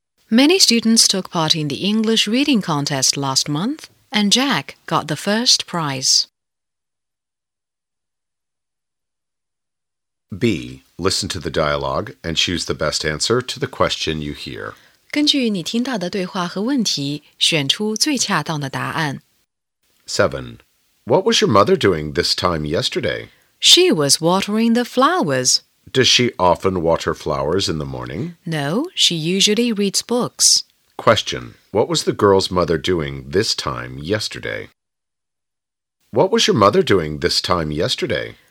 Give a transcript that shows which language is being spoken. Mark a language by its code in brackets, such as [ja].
[en] Many students took part in the English reading contest last month. And Jack got the first prize. B. Listen to the dialogue and choose the best answer to the question you hear. [zh] 根据你听到的对话和问题，选出最恰当的答案。 [en] 7. What was your mother doing this time yesterday? She was watering the flowers. Does she often water flowers in the morning? No, she usually reads books. Question. What was the girl's mother doing this time yesterday? What was your mother doing this time yesterday?